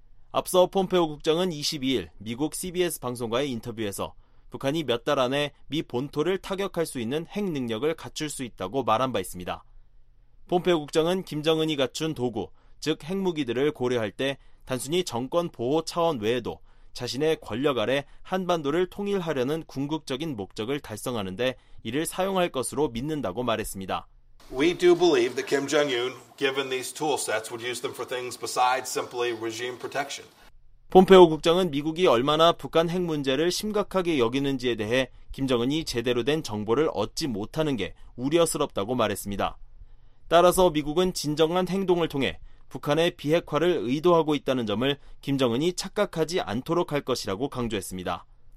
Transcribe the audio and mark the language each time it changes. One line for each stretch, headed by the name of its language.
Korean: 앞서 폼페오 국장은 22일 미국 CBS 방송과의 인터뷰에서 북한이 몇 달 안에 미 본토를 타격할 수 있는 핵 능력을 갖출 수 있다고 말한 바 있습니다. 폼페오 국장은 김정은이 갖춘 도구, 즉 핵무기들을 고려할 때 단순히 정권 보호 차원 외에도 자신의 권력 아래 한반도를 통일하려는 궁극적인 목적을 달성하는데 이를 사용할 것으로 믿는다고 말했습니다.
English: We do believe that Kim Jong-un, given these tool sets, would use them for things besides simply regime protection.
Korean: 폼페오 국장은 미국이 얼마나 북한 핵 문제를 심각하게 여기는지에 대해 김정은이 제대로 된 정보를 얻지 못하는 게 우려스럽다고 말했습니다. 따라서 미국은 진정한 행동을 통해 북한의 비핵화를 의도하고 있다는 점을 김정은이 착각하지 않도록 할 것이라고 강조했습니다.